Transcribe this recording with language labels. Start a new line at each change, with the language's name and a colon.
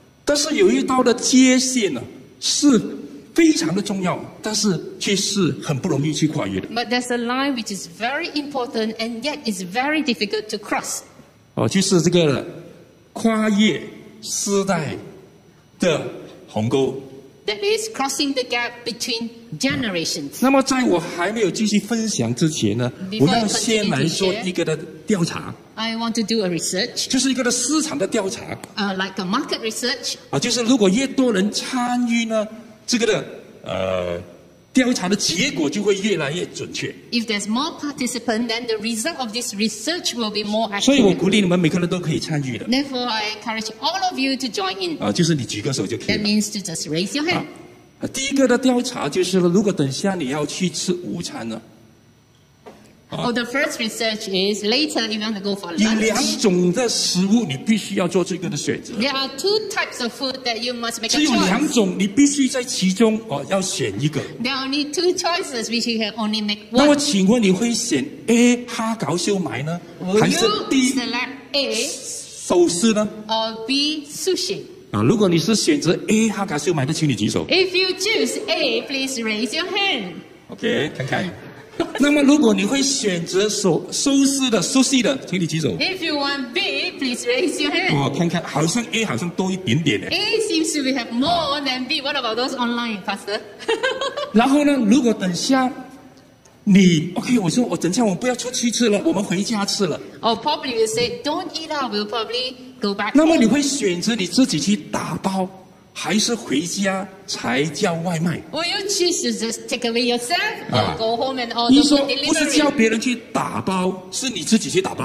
Chinese: 但是有一道的界限呢，是非常的重要，但是却是很不容易去跨越的。
English: But there's a line which is very important and yet is very difficult to cross。
Chinese: 就是这个跨越世代的鸿沟。
English: That is crossing the gap between generations.
Chinese: 那么在我还没有继续分享之前呢，我要先来做一个的调查。
English: I want to do a research.
Chinese: 就是一个的市场的调查。
English: Like a market research.
Chinese: 就是如果越多人参与呢，这个的调查的结果就会越来越准确。
English: If there's more participants, then the result of this research will be more accurate.
Chinese: 所以我鼓励你们每个人都可以参与的。
English: Therefore, I encourage all of you to join in.
Chinese: 就是你举个手就可以了。
English: That means to just raise your hand.
Chinese: 第一个的调查就是，如果等下你要去吃午餐呢？
English: The first research is later if you want to go for lunch.
Chinese: 有两种的食物你必须要做这个的选择。
English: There are two types of food that you must make a choice.
Chinese: 只有两种，你必须在其中要选一个。
English: There are only two choices which you can only make one.
Chinese: 那我请问你会选 A 哈搞秀埋呢，还是 B
English: select A
Chinese: 寿司呢
English: ？Or B sushi？
Chinese: 如果你是选择 A 哈搞秀埋的，请你举手。
English: If you choose A, please raise your hand.
Chinese: Okay， 看看。那么如果你会选择寿司的请你举手。
English: If you want B, please raise your hand.
Chinese: 看看好像 A 好像多一点点。
English: A seems to have more than B. What about those online, Pastor?
Chinese: 然后呢，如果等下你 OK， 我说我等下我不要出去吃了，我们回家吃了。
English: Probably you say, don't eat out, we'll probably go back.
Chinese: 那么你会选择你自己去打包，还是回家才叫外卖？
English: Will you choose to just take away yourself or go home and order the delivery?
Chinese: 不是叫别人去打包，是你自己去打包。